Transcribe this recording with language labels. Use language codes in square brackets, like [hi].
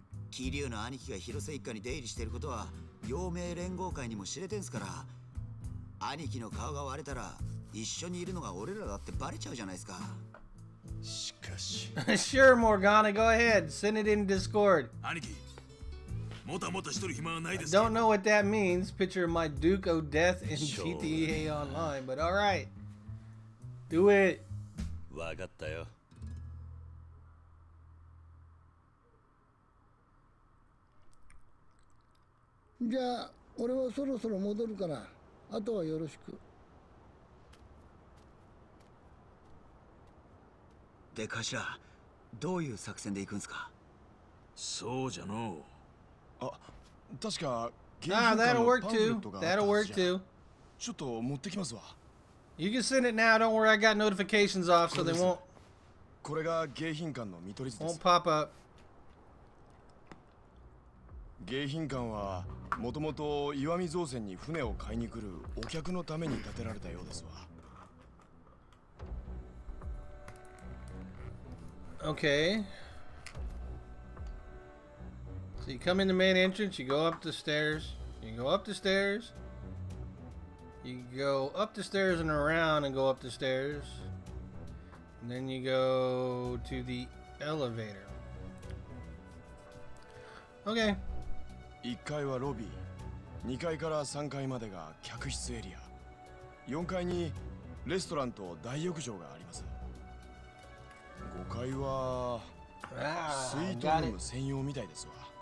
[ja] 桐生の兄貴が広瀬一家に出入りしてることは陽明連合会にも知れてんすから、兄貴の顔が割れたら一緒にいるのが俺らだってバレちゃうじゃないですか。しかし… [en] Sure, Morgana, go ahead. Send it in Discord. [ja] 兄貴、もたもたしとる暇はないです [en] よ。 I don't know what that means. Picture my Duke of Death in GTA Online, but alright. Do it. [ja] わかったよ。じゃあ、俺はそろそろ戻るから、あとはよろしく。で、頭、どういう作戦で行くんすか？そうじゃのう。あ、確か、ゲームのパンフレットがあったじゃん。 [en] That'll work too. [ja] ちょっと持ってきますわ。 [en] You can send it now, don't worry, I got notifications off, so they won't... [ja] これが迎賓館の見取り図です。 [en] Won't pop up. [ja] 迎賓館はもともと岩見造船に船を買いに来るお客のために建てられたようですわ。 [en] Okay. So you come in the main entrance, you go up the stairs, you go up the stairs, you go up the stairs and around and go up the stairs, and then you go to the elevator. Okay. [ja] 1階はロビー、2階から3階までが客室エリア、4階にレストランと大浴場があります。 5階はスイートルーム専用みたいですわ。